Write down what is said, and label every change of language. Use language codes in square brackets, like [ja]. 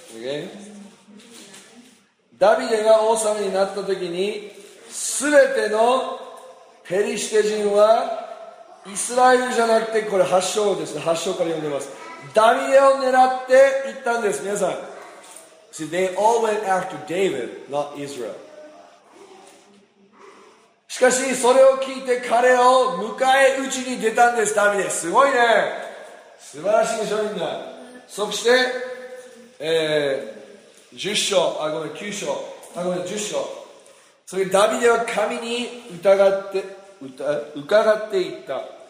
[ja] OK、 ダビデが王様になった時に、すべてのペリシテ人はイスラエルじゃなくて、これ8章ですね、8章から読んでます。ダビデを狙って行ったんです、皆さん。 [en] See, they all went after David, not Israel. [ja] しかしそれを聞いて彼を迎え撃ちに出たんです、ダビデ。すごいね、素晴らしいでしょ、みんな。そして、10章、あ、ごめん、9章、あ、ごめん、10章。それでダビデは神に疑って伺っていった。